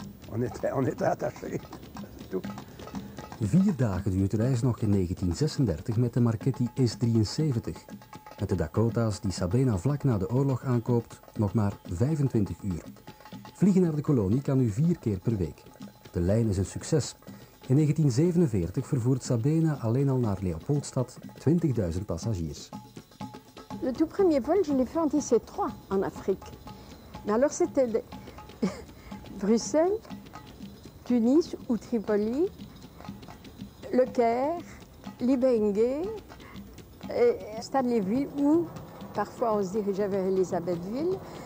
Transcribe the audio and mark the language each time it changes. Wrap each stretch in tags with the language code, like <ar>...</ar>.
<fr>On était attachés, c'est tout.</fr> <nl>4 dagen duurt de reis nog in 1936 met de Marchetti S-73. Met de Dakota's die Sabena vlak na de oorlog aankoopt, nog maar 25 uur. Vliegen naar de kolonie kan nu 4 keer per week. De lijn is een succes. In 1947 vervoert Sabena alleen al naar Leopoldstad 20.000 passagiers.</nl> <fr>Le tout premier vol, je l'ai fait en 1973 en Afrique. Mais alors c'était Bruxelles, Tunis ou Tripoli. Le Caire, Libengue, Stanleyville, où parfois on se dirigeait vers Elisabethville.</fr>